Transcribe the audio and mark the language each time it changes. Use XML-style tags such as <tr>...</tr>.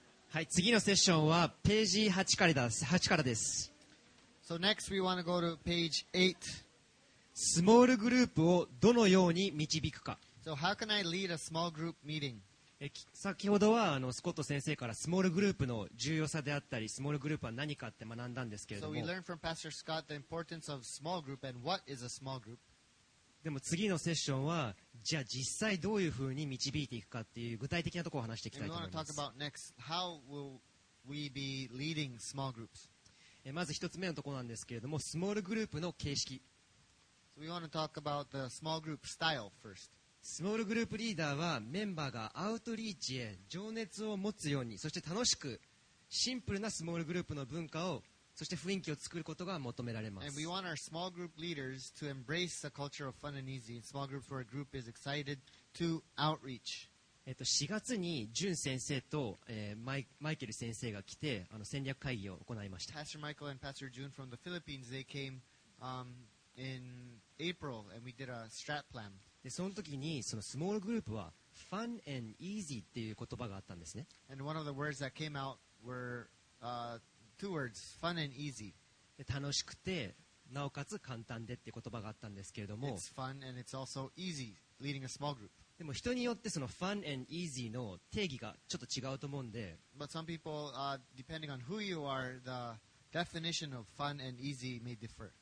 <ja>はい、次のセッションはページ8からです。8からです。</ja> <en>So next we want to go to page 8.</en> <ja>スモールグループをどのように導くか。</ja> <en>So how can I lead a small group meeting?</en> <ja>先ほどはスコット先生からスモールグループの重要さであったり、スモールグループは何かって学んだんですけれども、</ja> <en>So we learned from Pastor Scott the importance of small group and what is a small group.</en> <ja>でも次のセッションはじゃあ実際どういうふうに導いていくかっていう具体的なところを話していきたいと思います。</ja> <en>And we want to talk about next how will we be leading small groups.</en> <ja>まず一つ目のところなんですけれども、スモールグループの形式。</ja> <en>So we want to talk about the small group style first.</en> <ja>スモールグループリーダーはメンバーがアウトリーチへ情熱を持つように、そして楽しくシンプルなスモールグループの文化を、そして雰囲気を作ることが求められます。</ja> <en>And we want our small group leaders to embrace a culture of fun and easy in small groups where a group is excited to outreach.</en> <ja>4月にジュン先生と、マイケル先生が来て戦略会議を行いました。</ja> <en>Pastor Michael and Pastor June from the Philippines, they came in April and we did a strat plan.</en> <ja>でその時にそのスモールグループは</ja> <en>fun and easy</en> <ja>っていう言葉があったんですね。</ja> <en>And one of the words that came out were two words, fun and easy.</en> <ja>楽しくてなおかつ簡単でっていう言葉があったんですけれども、</ja> <en>It's fun and it's also easy leading a small group.</en> <ja>でも人によってその</ja> <en>fun and easy</en> <ja>の定義がちょっと違うと思うんで、</ja> <en>But some people, depending on who you are, the definition of fun and easy may differ.</en>